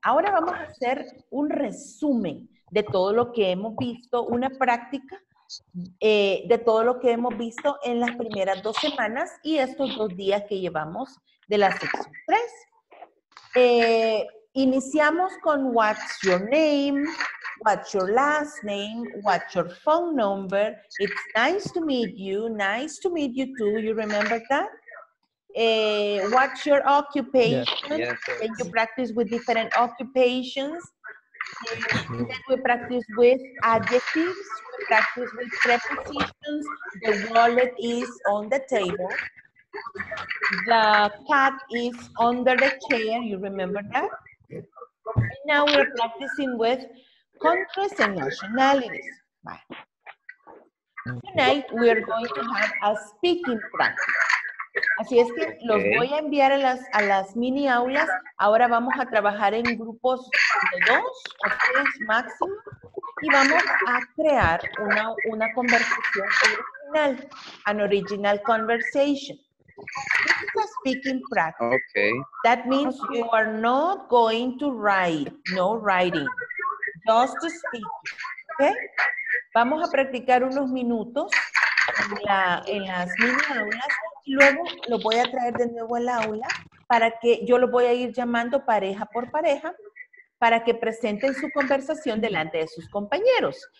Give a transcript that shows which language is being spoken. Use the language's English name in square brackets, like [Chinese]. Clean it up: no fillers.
[Spanish] Ahora vamos a hacer un resumen de todo lo que hemos visto, una práctica de todo lo que hemos visto en las primeras dos semanas y estos dos días que llevamos de la sección 3. Iniciamos con [English] what's your name, what's your last name, what's your phone number, it's nice to meet you too, you remember that? What's your occupation? Yes. Yes, then you practice with different occupations. Then we practice with adjectives, we practice with prepositions, the wallet is on the table, the cat is under the chair, you remember that? And now we're practicing with countries and nationalities. Bye. Tonight we are going to have a speaking practice. [Spanish] Así es que los voy a enviar a las mini aulas. Ahora vamos a trabajar en grupos de dos o tres máximo y vamos a crear una conversación original, [English] an original conversation. This is a speaking practice. Okay. That means you are not going to write, no writing, just to speak. Okay? [Spanish] Vamos a practicar unos minutos en las mini aulas y luego lo voy a traer de nuevo al aula para que yo lo voy a ir llamando pareja por pareja para que presenten su conversación delante de sus compañeros.